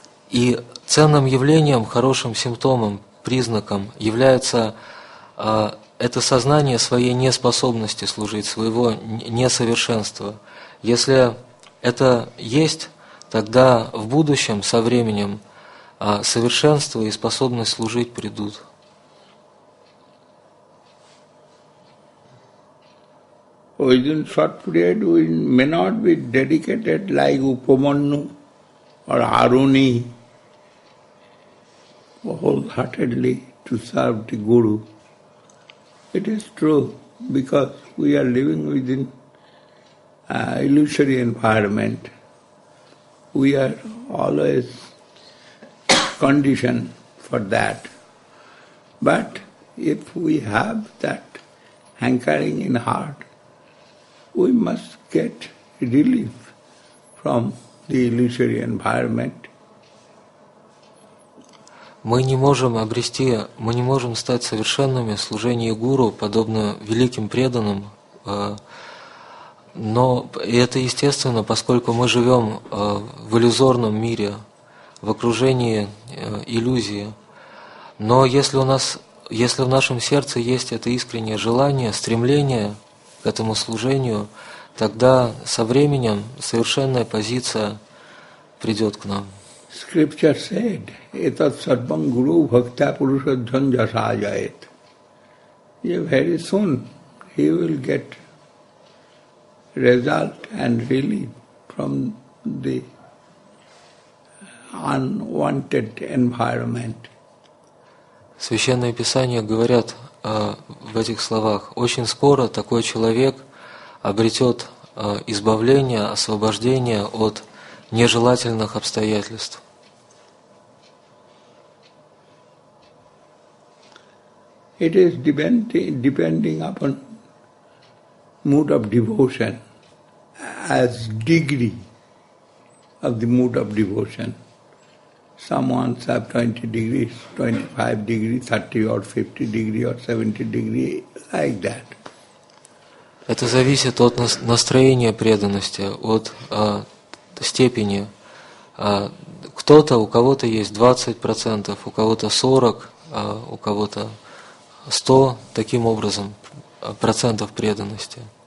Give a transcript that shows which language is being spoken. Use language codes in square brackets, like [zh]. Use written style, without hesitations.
[ru] И ценным явлением, хорошим симптомом, признаком является это сознание своей неспособности служить, своего несовершенства. Если это есть, тогда в будущем, со временем, совершенство и способность служить придут. [en] Within short period, we may not be dedicated like Upamanyu or Aruni wholeheartedly to serve the Guru. It is true, because we are living within an illusory environment. We are always conditioned for that. But if we have that hankering in heart, we must get relief from the illusory environment. [ru] Мы не можем стать совершенными в служении Гуру, подобно великим преданным, но это естественно, поскольку мы живем в иллюзорном мире, в окружении иллюзии. Но если в нашем сердце есть это искреннее желание, стремление к этому служению, тогда со временем совершенная позиция придет к нам. [en] Scripture said, [sa] etat sarvam guru bhakta purusha dhanja sajayet. [en] Very soon he will get result and relief from the unwanted environment. [ru] Священные писания говорят в этих словах: очень скоро такой человек обретет избавление, освобождение от нежелательных обстоятельств. [en] It is depending upon mood of devotion as degree of the mood of devotion. Someone have 20 degrees, 25 degrees, 30 or 50 degrees or 70 degrees, like that. [ru] Это зависит от настроения преданности, от степени. Кто-то, у кого-то есть 20%, у кого-то 40%, у кого-то 100, таким образом, процентов преданности.